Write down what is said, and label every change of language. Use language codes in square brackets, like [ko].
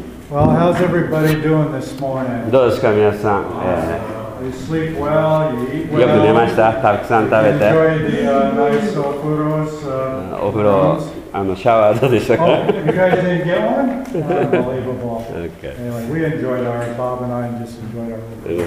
[en] How's everybody doing this morning? [ja] どうですか皆さん、 [en] You sleep well, you eat well. [ja] よく寝ました。たくさん食べて。 [en] Enjoy the nice ofuros, [ja] お風呂、シャワーどうでしたか [en] You guys didn't get one? Unbelievable. Anyway, we enjoyed our, Bob and I just enjoyed our